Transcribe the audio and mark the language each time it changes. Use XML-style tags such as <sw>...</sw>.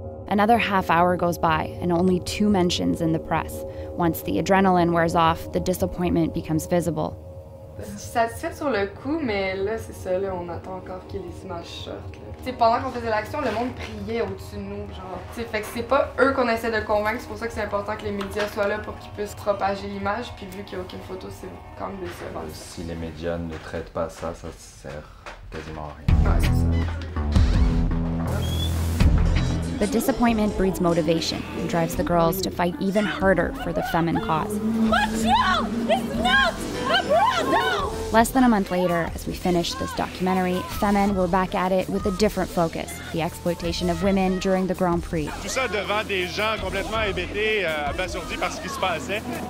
<en>Another half hour goes by, and only 2 mentions in the press. Once the adrenaline wears off, the disappointment becomes visible.</en> <fr>Satisfaite sur le coup, mais là, c'est ça, là, on attend encore qu'il y ait les images sortent. Tu sais, pendant qu'on faisait l'action, le monde priait au-dessus de nous, genre. Tu sais, fait que c'est pas eux qu'on essaie de convaincre, c'est pour ça que c'est important que les médias soient là pour qu'ils puissent propager l'image, puis vu qu'il n'y a aucune photo, c'est quand même décevant. Si les médias ne traitent pas ça, ça sert quasiment à rien. Ouais, c'est ça.</fr> <en>But disappointment breeds motivation and drives the girls to fight even harder for the feminine cause. Montreal is not a brothel! Less than a month later, as we finish this documentary, Femmes were back at it with a different focus, the exploitation of women during the Grand Prix.</en> <fr>Tout ça devant des gens complètement hébétés, abasourdis par ce qui se passait.</fr>